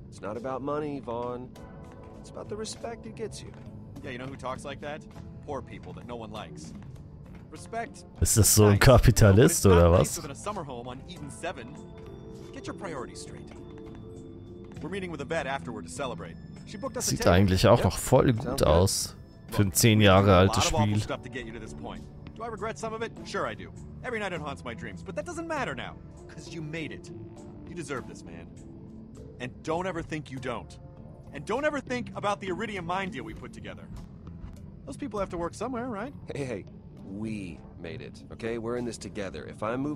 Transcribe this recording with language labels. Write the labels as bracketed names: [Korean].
[English] It's not about money, Vaughn. It's about the respect it gets you. Yeah, you know who talks like that? Poor people that no one likes. Respect. [German] Ist das so ein Kapitalist oder was? [English] Nice a summer home on Eden 7. Get your priorities straight. We're meeting with a vet afterward to celebrate. She booked us. [German] Sieht eigentlich auch noch voll gut aus für ein 10 Jahre altes Spiel. [English] Do I regret some of it? Sure I do. Every night it haunts my dreams, but that doesn't matter now, because you made it. You deserve this, man. And don't ever think you don't. And don't ever think about the Iridium mine deal we put together. Those people have to work somewhere, right? Hey, hey, we made it, okay? We're in this together. If I move